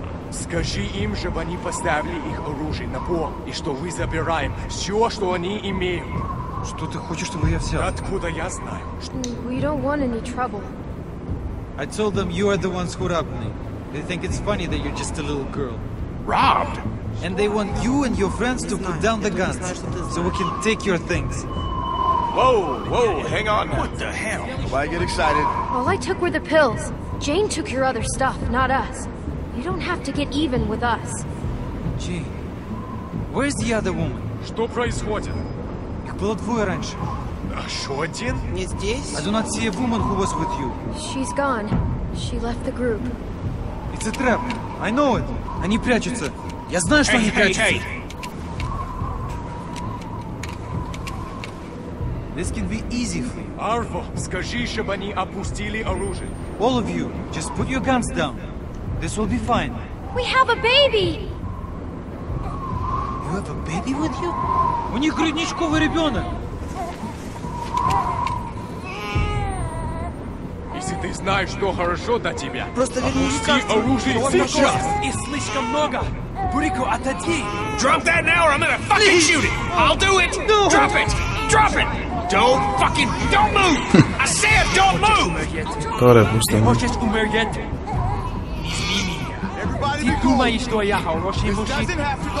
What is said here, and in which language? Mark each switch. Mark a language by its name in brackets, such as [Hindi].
[Russian] Скажи им, чтобы они поставили их оружие на пол, и что мы забираем все, что они имеют. Что ты хочешь, чтобы я взял? Откуда я знаю? [English] We don't want any trouble. I told them you are the ones who robbed me. They think it's funny that you're just a little girl. Robbed? And they want you and your friends to put down the guns, so we can take your things. Whoa, whoa, hang on. What the hell? Why get excited? All I took were the pills. Jane took your other stuff, not us. You don't have to get even with us. Jane, where's the other woman? [Russian] Что происходит? Их было двое раньше. Еще один? Не здесь. [English] I do not see a woman who was with you. She's gone. She left the group. It's a trap. I know it. [Russian] Они прячутся. Я знаю, что они прячутся. [English] Hey, hey, hey. This can be easy for you. [Russian] Arvo, скажи, чтобы они опустили оружие. [English] All of you, just put your guns down. This will be fine. We have a baby! You have a baby with you? [Russian] У них грудничковый ребенок! Если ты знаешь, что хорошо для тебя, просто опусти оружие сейчас! Их слишком много! Бурико, отойди! [English] Drop that now or I'm gonna fucking shoot it! I'll do it! No. Drop it! Drop it! Don't fucking don't move! I said don't move! Τώρα πού στον? [Russian] Можешь умереть? [English] Everybody, [Russian] ты думаешь, что я хороший мужчина?